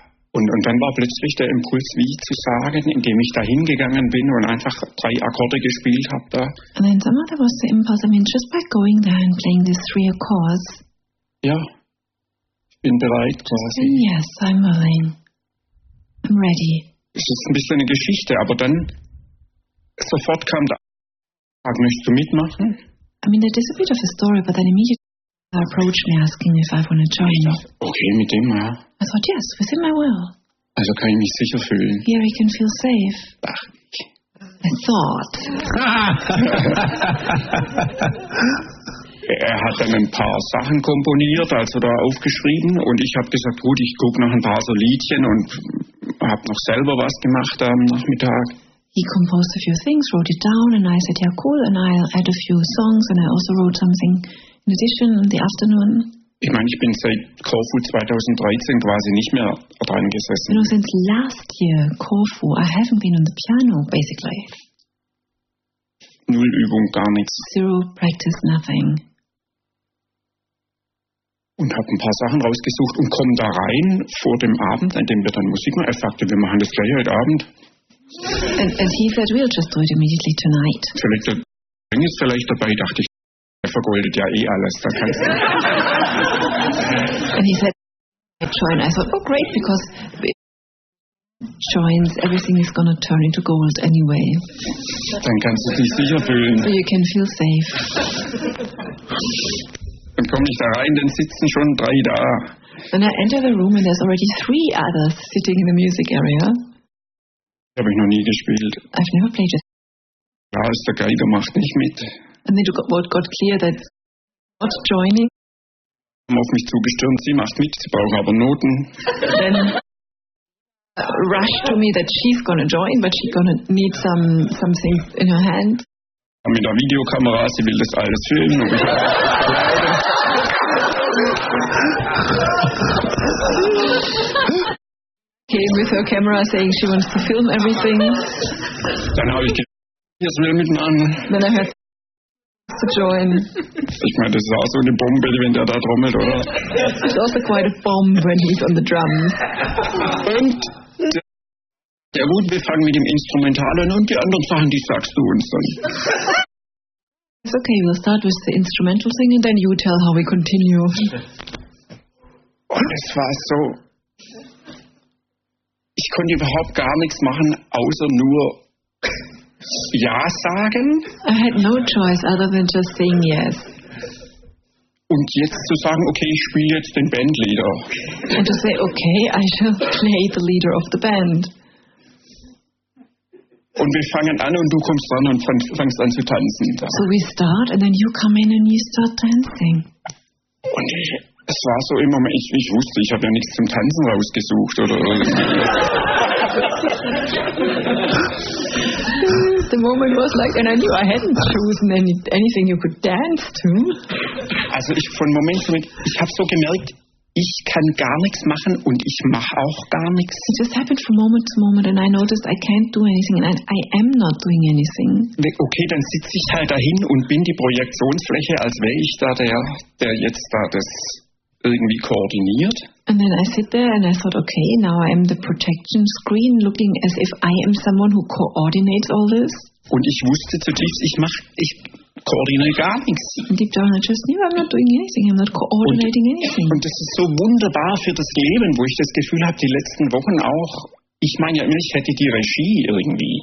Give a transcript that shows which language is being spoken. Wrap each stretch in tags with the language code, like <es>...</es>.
<de>Und dann war plötzlich der Impuls, wie zu sagen, indem ich da hingegangen bin und einfach drei Akkorde gespielt habe da.</de> <en>And then somehow there was the impulse, I mean, just by going there and playing these three chords.</en> <de>Ja, ich bin bereit quasi.</de> <en>Yes, I'm willing. I'm ready.</en> <de>Es ist ein bisschen eine Geschichte, aber dann sofort kam da. Möchtest du mitmachen?</de> <en>I mean, that is a bit of a story, but then immediately they approached me asking if I want to join.</en> <de>Okay, mit dem, ja.</de> <en>I thought, yes, with him I will.</en> <de>Also kann ich mich sicher fühlen.</de> <en>Here he can feel safe.</en> <de>Ach.</de> <en>I thought.</en> <de>Er hat dann ein paar Sachen komponiert, also da aufgeschrieben, und ich habe gesagt, gut, ich gucke noch ein paar so Liedchen und habe noch selber was gemacht am Nachmittag.</de> <en>He composed a few things, wrote it down, and I said, yeah, cool, and I'll add a few songs, and I also wrote something in addition in the afternoon.</en> <de>Ich meine, ich bin seit Corfu 2013 quasi nicht mehr dran gesessen.</de> <en>You know, since last year, Corfu, I haven't been on the piano, basically.</en> <de>Null Übung, gar nichts.</de> <en>Zero practice, nothing.</en> <de>Und habe ein paar Sachen rausgesucht und komme da rein vor dem Abend, an dem wir dann Musik machen. Er sagte, wir machen das gleich heute Abend.</de> <en>And he said, we'll just do it immediately tonight.</en> <de>Vielleicht, dann ist vielleicht dabei, dachte ich, er vergoldet ja eh alles. Da kann ich</de> <en>and he said, join. I thought, oh great, because it joins, everything is going to turn into gold anyway.</en> <de>Dann kannst du dich sicher fühlen.</de> <en>So you can feel safe.</en> <de>Dann komme ich da rein, dann sitzen schon drei da.</de> <en>Then I enter the room and there's already three others sitting in the music area.</en> <de>Habe ich noch nie gespielt.</de> <en>I've never played it.</en> <de>Ja, ist der Geiger, macht nicht mit.</de> <en>And then it got clear that not joining.</en> <de>Haben auf mich zugestürmt, sie macht mit, sie braucht aber Noten.</de> <en>Then rushed to me that she's gonna join, but she's gonna need something in her hand.</en> <de>Mit der Videokamera, sie will das alles filmen. Und ich</de> <en>came with her camera saying she wants to film everything.</en> <de>Dann habe ich gedacht, jetzt will mit an.</de> <en>Then I had to join.</en> <de>Ich meine, das ist auch so eine Bombe, wenn der da trommelt, oder?</de> <en>It's also quite a bomb when he's on the drums.</en> <de>Und der gut, wir fangen mit dem Instrumental an und die anderen Sachen, die sagst du uns dann.</de> <en>It's okay, we'll start with the instrumental thing and then you tell how we continue.</en> <de>Und es war so. Ich konnte überhaupt gar nichts machen, außer nur Ja sagen.</de> <en>I had no choice other than just saying yes.</en> <de>Und jetzt zu sagen, okay, ich spiele jetzt den Bandleader.</de> <en>And to say, okay, I shall play the leader of the band.</en> <de>Und wir fangen an und du kommst ran und fangst an zu tanzen. Da.</de> <en>So we start and then you come in and you start dancing.</en> <de>Und es war so immer, ich wusste, ich habe ja nichts zum Tanzen rausgesucht oder</de> <en>the moment was like, and I knew I hadn't chosen anything you could dance to.</en> <de>Also ich von Moment zu Moment, ich habe so gemerkt, ich kann gar nichts machen und ich mache auch gar nichts.</de> <en>It just happened from moment to moment and I noticed I can't do anything and I am not doing anything.</en> <de>Okay, dann sitze ich halt dahin und bin die Projektionsfläche, als wäre ich da der jetzt da das irgendwie koordiniert.</de> <en>And then I sit there and I thought, okay, now I am the projection screen looking as if I am someone who coordinates all this.</en> <de>Und ich wusste zutiefst, ich koordiniere gar nichts.</de> <en>And deep down I just knew I'm not doing anything, I'm not coordinating anything.</en> <de>Und das ist so wunderbar für das Leben, wo ich das Gefühl habe, die letzten Wochen auch, ich meine ja immer, ich hätte die Regie irgendwie.</de>